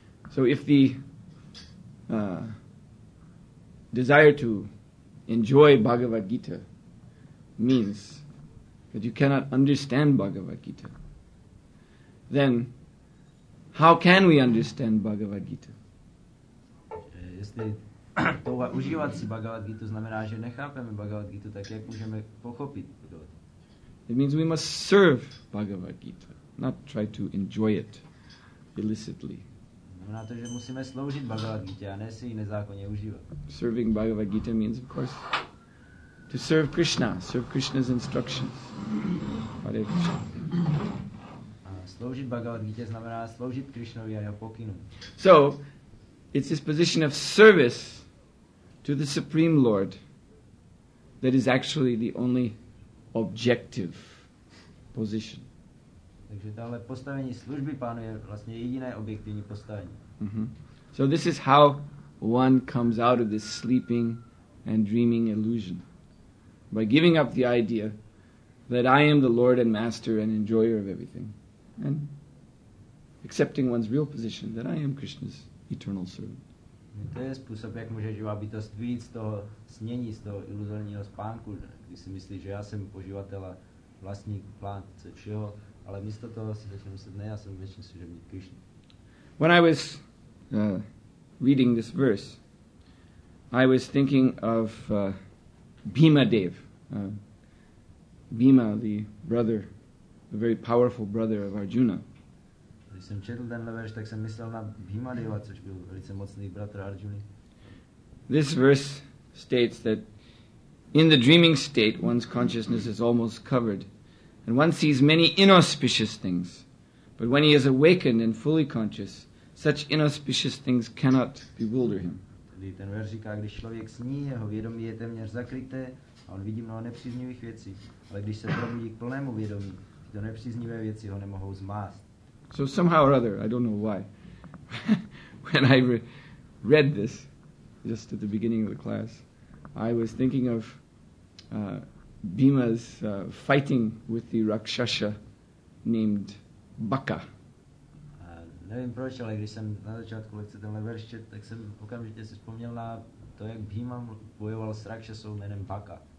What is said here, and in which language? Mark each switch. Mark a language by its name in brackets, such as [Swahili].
[English] So if the desire to enjoy Bhagavad Gita means that you cannot understand Bhagavad Gita, then how can we understand Bhagavad Gita? [Czech] Jestli touha užívat si Bhagavad Gita znamená, že nechápeme Bhagavad Gita, tak jak můžeme pochopit Bhagavad Gita? [English] It means we must serve Bhagavad Gita, not try to enjoy it illicitly. [Czech] Znamená to, že musíme sloužit Bhagavad Gita, a ne si ji nezákonně užívat. [English] Serving Bhagavad Gita means, of course, to serve Krishna, serve Krishna's instructions. Hare Krishna. [Czech] A sloužit Bhagavad Gita znamená sloužit Krishnovi a jeho pokynům. [English] So, it's this position of service to the Supreme Lord that is actually the only objective position. [Czech] Takže tahle postavení služby pánu je vlastně jediné objektivní postavení. [English] So this is how one comes out of this sleeping and dreaming illusion. By giving up the idea that I am the Lord and Master and enjoyer of everything. And accepting one's real position, that I am Krishna's eternal servant. [Czech] To je způsob, jak může živá bytost vyjít z toho snění, z toho iluzorního spánku, když si myslí, že já jsem poživatel a vlastník plánce všeho, ale místo toho si začne myslet, ne, já jsem věčný služebník Krishna. [English] When I was reading this verse, I was thinking of Bhima Dev. Bhima, the brother, the very powerful brother of Arjuna. [Czech] Když jsem četl tenhle verš, tak jsem myslel na Bhima Deva, což byl velice mocný bratr Arjuna. [English] This verse states that in the dreaming state, one's consciousness is almost covered, and one sees many inauspicious things. But when he is awakened and fully conscious, such inauspicious things cannot bewilder him. [Czech] Tedy ten verš říká, když člověk sní, jeho vědomí je téměř zakryté a on vidí mnoho nepříznivých věcí. Ale když se probudí k plnému vědomí, tyto nepříznivé věci ho nemohou zmást. [English] So somehow or other, I don't know why, when I read this, just at the beginning of the class, I was thinking of Bhima's fighting with the Rakshasa named Baka. [Czech] Nevím proč, ale když jsem na začátku lekce tenhle verš čet, tak jsem okamžitě si vzpomněl na to, jak Bhima bojoval s Rakshasou jménem Baka.